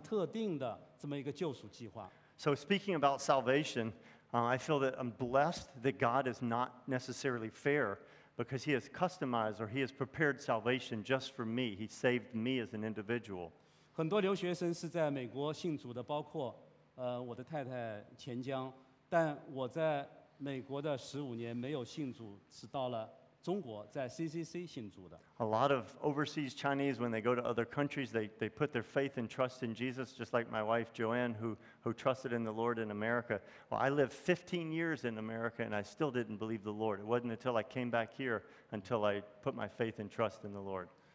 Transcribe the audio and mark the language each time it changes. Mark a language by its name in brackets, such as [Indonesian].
[Chinese] 所以讲到救赎，我很幸运，我们的神不是一个所谓公平的神，他对我是有一个延迟了的，但是一个非常特定的这么一个救赎计划。 [English] So speaking about salvation, I feel that I'm blessed that God is not necessarily fair because he has customized or he has prepared salvation just for me. He saved me as an individual. [Chinese] 很多留学生是在美国信主的, 包括我的太太钱江, 但我在美国的15年没有信主, 直到了中国, 在CCC信主的。 [English] A lot of overseas Chinese, when they go to other countries, they put their faith and trust in Jesus, just like my wife Joanne, who trusted in the Lord in America. Well, I lived 15 years in America, and I still didn't believe the Lord. It wasn't until I came back here until I put my faith and trust in the Lord.